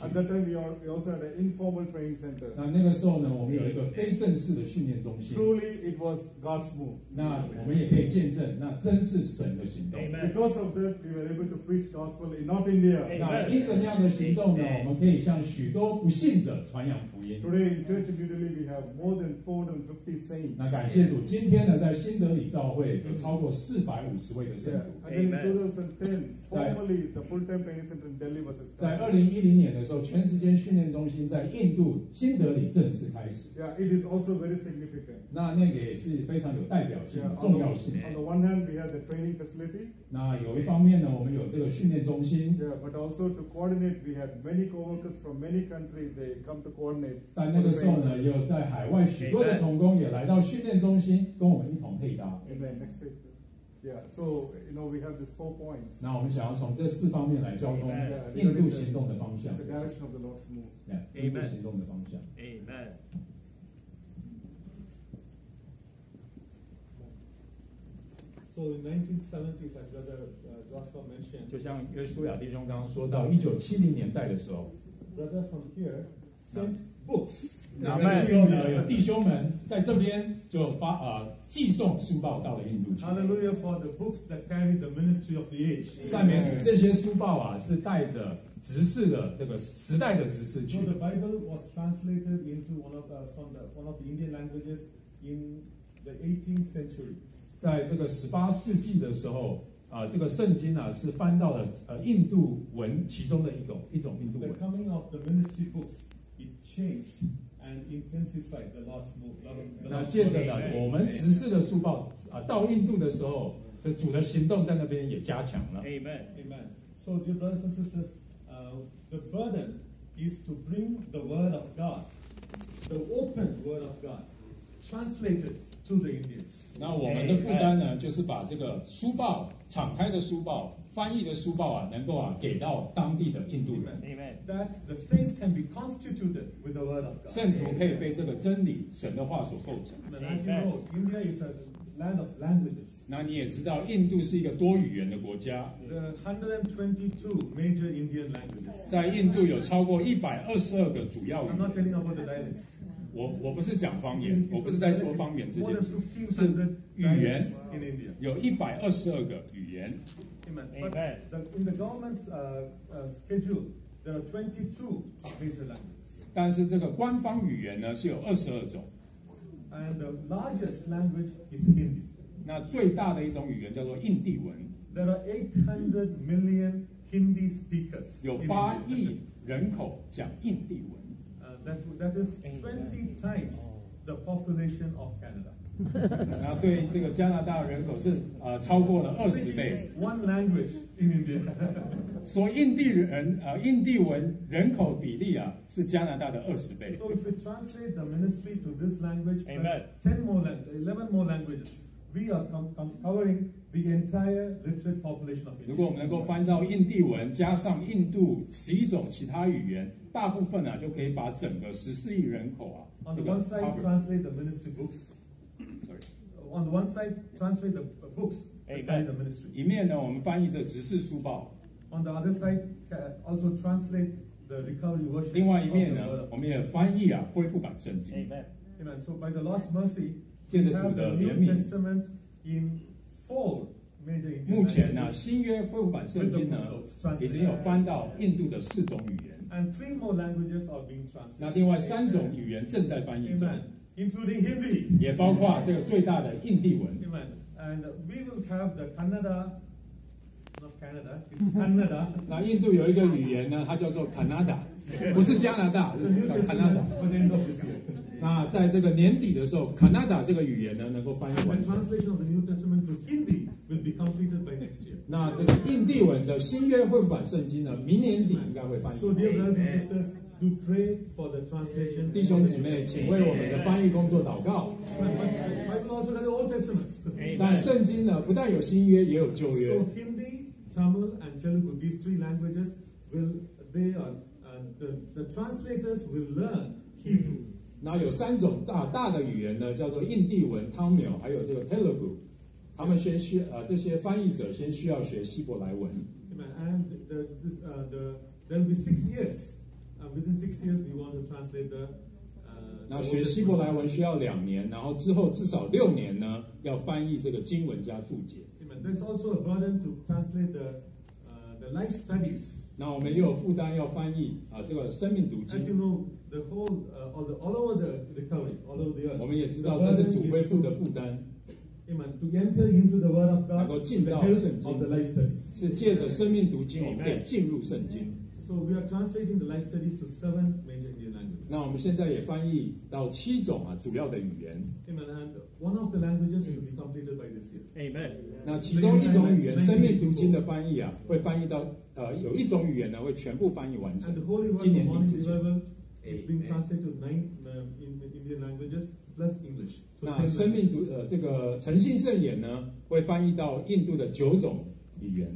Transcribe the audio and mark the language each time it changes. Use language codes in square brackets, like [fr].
[en] At that time, we also had an informal training center. [zh] 那个时候呢，我们有一个非正式的训练中心。 [en] Truly, it was God's move. [zh] 那我们也可以见证，那真是神的行动。 [en] Amen. Because of that, we were able to preach gospel in North India. [zh] 那因着那样的行动呢，我们可以向许多不信者传扬福音。 [en] Today in Church in New Delhi, we have more than 450 saints. [zh] 那感谢主，今天呢，在新德里教会有超过450位的圣徒。 [en] And then in 2010, formally the full-time training center in Delhi was established. [zh] 在2010年的时候，全时间训练中心在印度新德里正式开始。 [en] Yeah, it is also very significant. [zh] 那个也是非常有代表性、重要性。 [en] On the one hand, we have the training facility. [zh] 那有一方面呢，我们有这个训练中心。 [en] Yeah, but also to coordinate, we had many co-workers from many countries. They come to coordinate. [zh] 但那个时候呢，又在海外许多的同工也来到训练中心，跟我们一同配搭。 [en] Amen. Next page. Yeah. So you know, we have these four points. [zh] 那我们想要从这四方面来交通印度行动的方向。 [en] The direction of the Lord's move. [zh] Yeah. 印度行动的方向。 [en] Amen. So in 1970s, as Brother Joshua mentioned, [zh] 就像约书亚弟兄刚刚说到1970年代的时候 [en] ，Brother from here sent books. [zh] 那那时候呢，有弟兄们在这边就发寄送书报到了印度去。 [en] Hallelujah for the books that carry the ministry of the age. [zh] 赞美主，这些书报啊是带着执事的这个时代的执事去。 [en] So the Bible was translated into one of the Indian languages in the 18th century. [zh] 在这个十八世纪的时候，这个圣经呢、是翻到了印度文其中的一种印度文。 [en] The coming of the ministry books, it changed and intensified the Lord's move. [zh] 那接着呢，我们执事的书报到印度的时候，主的行动在那边也加强了。 [en] Amen, amen. So, dear brothers and sisters, the burden is to bring the word of God, the open word of God, translated. To the Indians. [zh] 那我们的负担呢，就是把这个书报敞开的书报、翻译的书报啊，能够啊给到当地的印度人。 [en] Amen. That the saints can be constituted with the word of God. [zh] 圣徒可以被这个真理、神的话所构成。 [en] But as you know, India is a land of languages. [zh] 那你也知道，印度是一个多语言的国家。 [en] The 122 major Indian languages. [zh] 在印度有超过122个主要语言。 [en] I'm not telling about the dialects. [zh] 我不是讲方言，我不是在说方言这件事，是语言，有122个语言。 [en] Amen. In the government's schedule, there are 22 major languages. [zh] 但是这个官方语言呢是有22种。 [en] And the largest language is Hindi. [zh] 那最大的一种语言叫做印地文。 [en] There are 800 million Hindi speakers. [zh] 有八亿人口讲印地文。 [en] That is 20 times the population of Canada. [zh] 那对这个加拿大人口是超过了20倍。 [en] One language in India. [zh] 所以印地人印地文人口比例啊是加拿大的20倍。 [en] So if we translate the ministry to this language, eleven more languages, we are covering the entire literate population of India. [zh] 如果我们能够翻到印地文加上印度11种其他语言。大部分呢、就可以把整个14亿人口啊。 [en] On the one side, translate the ministry books. Sorry. On the one side, translate the books and carry the ministry. [zh] 一面呢，我们翻译着执事书报。 [en] On the other side, also translate the recovery worship. [zh] 另外一面呢，我们也翻译啊，恢复版圣经。 [en] Amen. Amen. So by the Lord's mercy, we have the New Testament in four. [zh] 目前呢，新约恢复版圣经呢，已经有翻到印度的四种语言。 [en] And three more languages are being translated. [zh] 那另外三种语言正在翻译中 [en] ，including Hindi， [zh] 也包括这个最大的印地文。 [en] Amen. And we will have the Kannada, not Canada, it's Kannada. [zh] 那印度有一个语言呢，它叫做 Kannada， 不是加拿大，是 Kannada。那在这个年底的时候 ，Kannada 这个语言呢，能够翻译完成。 [en] The translation of the New Testament to Hindi will be completed by next year. [zh] 那这个印地文的新约绘本圣经呢，明年底应该会翻译。 [en] So dear brothers and sisters, do pray for the translation. [zh] 弟兄姊妹，请为我们的翻译工作祷告。 [en] But also the Old Testament. [zh] 但圣经呢，不但有新约，也有旧约。 [en] So Hindi, Tamil, and Telugu, these three languages will they are the translators will learn Hebrew. [zh] 那有三种 大的语言呢，叫做印地文、汤米尔，还有这个 Telugu。他们先需这些翻译者先需要学希伯来文。 [en] And the there will be 6 years. Within 6 years, we want to translate the. [zh] 那学希伯来文需要2年，然后之后至少6年呢，要翻译这个经文加注解。 [en] There's also a burden to translate the life studies. [zh] 那我们也有负担要翻译这个生命读经。 [en] As you know,The whole, all over the country, all over the earth. [zh] 我们也知道这是主恢复的负担。 [en] Amen. To enter into the Word of God, [zh] 能够进到圣经 [en] of the life studies. [zh] 是借着生命读经，我们可以进入圣经。 [en] So we are translating the life studies to 7 major Indian languages. [zh] 那我们现在也翻译到7种主要的语言。 [en] Amen. And one of the languages will be completed by this year. Amen. [zh] 那其中一种语言生命读经的翻译啊，会翻译到有一种语言呢会全部翻译完成。 [en] And the Holy Word, [zh] 今年底之前。 [en] It's been translated to 9 Indian languages plus English. So [zh] 那生命读这个诚信圣言呢，会翻译到印度的9种语言，